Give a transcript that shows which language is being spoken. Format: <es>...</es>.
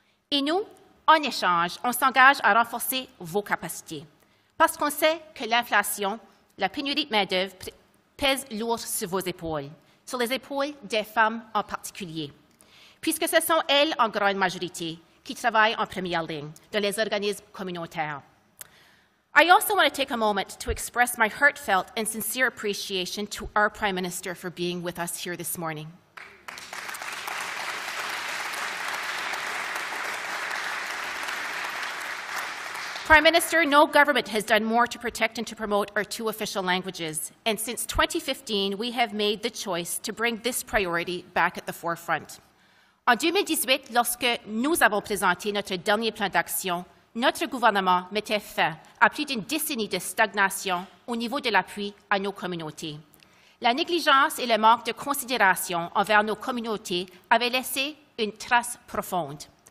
<fr>Et nous, en échange, on s'engage à renforcer vos capacités. Parce qu'on sait que l'inflation, la pénurie de main-d'œuvre pèse lourd sur vos épaules, sur les épaules des femmes en particulier, puisque ce sont elles en grande majorité qui travaillent en première ligne dans les organismes communautaires.</fr> <en>I also want to take a moment to express my heartfelt and sincere appreciation to our Prime Minister for being with us here this morning. Prime Minister, no government has done more to protect and to promote our 2 official languages. And since 2015, we have made the choice to bring this priority back at the forefront.</en> <fr>En 2018, lorsque nous avons présenté notre dernier plan d'action, notre gouvernement mettait fin à plus d'une décennie de stagnation au niveau de l'appui à nos communautés. La négligence et le manque de considération envers nos communautés avaient laissé une trace profonde.</fr>